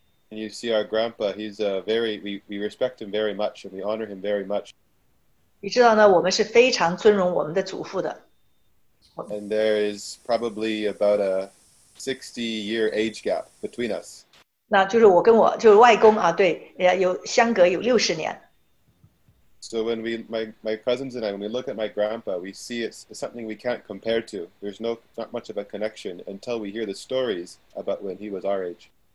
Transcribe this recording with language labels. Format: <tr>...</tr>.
<en>And you see our grandpa, he's a very, we respect him very much and we honor him very much.</en> <zh>你知道呢，我们是非常尊荣我们的祖父的。</zh> <en>And there is probably about a 60-year age gap between us.</en> <zh>那就是我跟我就是外公啊，对，有相隔有60年。</zh> <en>So when we, my cousins and I, when we look at my grandpa, we see it's something we can't compare to. There's not much of a connection until we hear the stories about when he was our age.</en>